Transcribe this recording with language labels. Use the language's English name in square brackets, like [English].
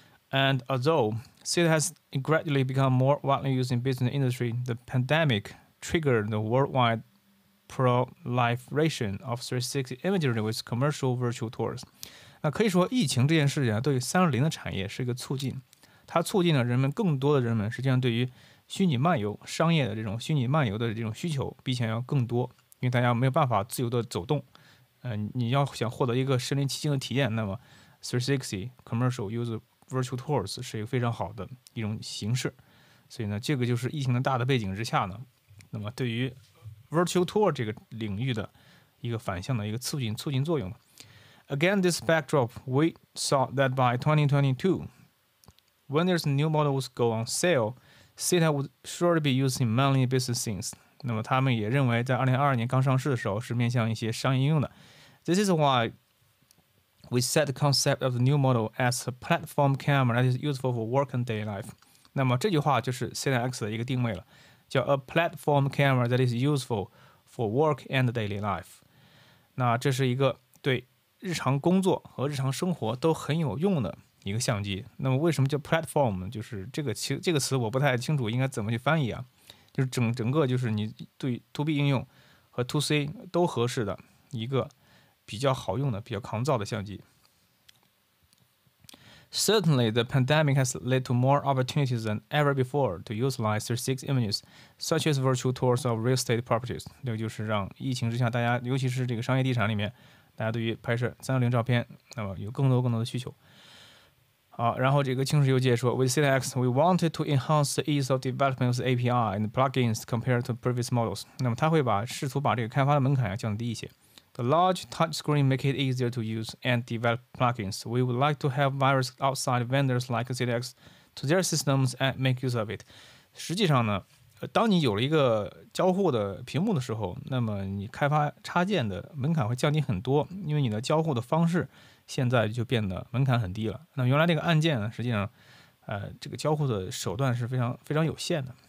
[English] And although THETA has gradually become more widely used in business industry, the pandemic triggered the worldwide proliferation of 360 imagery with commercial virtual tours. [Chinese] 那可以说疫情这件事情对360的产业是一个促进，它促进了人们，更多的人们实际上对于虚拟漫游商业的这种虚拟漫游的这种需求比以前要更多，因为大家没有办法自由的走动。你要想获得一个身临其境的体验，那么 [English] 360 commercial userVirtual tours [Chinese] 是一个非常好的一种形式，所以呢，这个就是疫情的大的背景之下呢，那么对于 Virtual tour 这个领域的一个反向的一个促进作用。 [English] Against this backdrop, we saw that by 2022, when there's new models go on sale, THETA would surely be used in mainly business scenes. [Chinese] 那么他们也认为，在2022年刚上市的时候是面向一些商业应用的。 [English] This is why. We set the concept of the new model as a platform camera that is useful for work and daily life. [Chinese] 那么这句话就是 THETA X 的一个定位了，叫 [English] a platform camera that is useful for work and daily life. [Chinese] 那这是一个对日常工作和日常生活都很有用的一个相机。那么为什么叫 platform？就是这个词我不太清楚应该怎么去翻译啊，就是整个就是你对 2B 应用和 2C 都合适的一个比较好用的、比较抗造的相机。 [English] Certainly, the pandemic has led to more opportunities than ever before to utilize 36 images, such as virtual tours of real estate properties. [Chinese] 那就是让疫情之下，大家尤其是这个商业地产里面，大家对于拍摄360照片，那么有更多的需求。好，然后这个清水又介说 [English] ，With THETA X, we wanted to enhance the ease of development of the API and plugins compared to previous models. [Chinese] 那么他会试图把这个开发的门槛降低一些。 [English] The large touchscreen make it easier to use and develop plugins. We would like to have various outside vendors like THETA X to their systems and make use of it. [Chinese] 实际上呢，当你有了一个交互的屏幕的时候，那么你开发插件的门槛会降低很多，因为你的交互的方式现在就变得门槛很低了。那原来这个按键呢，实际上，这个交互的手段是非常非常有限的。